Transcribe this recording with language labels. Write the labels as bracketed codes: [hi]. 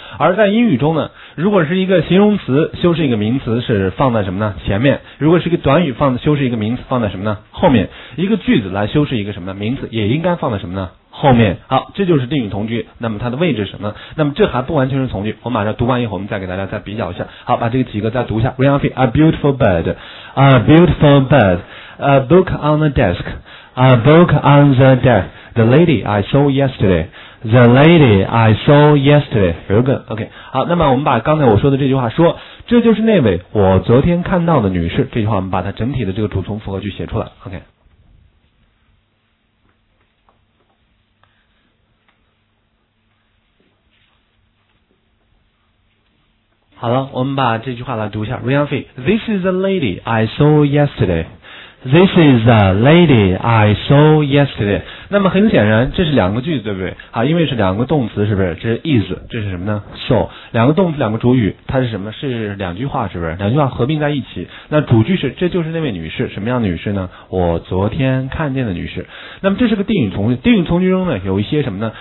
[zh] 而在英语中呢，如果是一个形容词修饰一个名词是放在什么呢？前面。如果是一个短语放修饰一个名词放在什么呢？后面。一个句子来修饰一个什么呢？名词也应该放在什么呢？后面。好，这就是定语从句，那么它的位置是什么？那么这还不完全是从句，我马上读完以后我们再给大家再比较一下。好，把这个几个再读一下。 [en] Rianfi, a beautiful bird, a beautiful bird, a book on the desk, a book on the desk, the lady I saw yesterday, the lady I saw yesterday, very good, OK。 [zh] 好，那么我们把刚才我说的这句话说，这就是那位我昨天看到的女士，这句话我们把它整体的这个主从复合句写出来。 OK。好了，我们把这句话来读一下。 [en] Rianfi, This is the lady I saw yesterday. This is the lady I saw yesterday. [zh] 那么很显然这是两个句子，对不对？啊，因为是两个动词，是不是？这是 is, 这是什么呢？So, 两个动词两个主语，它是什么？是两句话，是不是？两句话合并在一起。那主句是，这就是那位女士。什么样的女士呢？我昨天看见的女士。那么这是个定语从句，定语从句中呢有一些什么呢？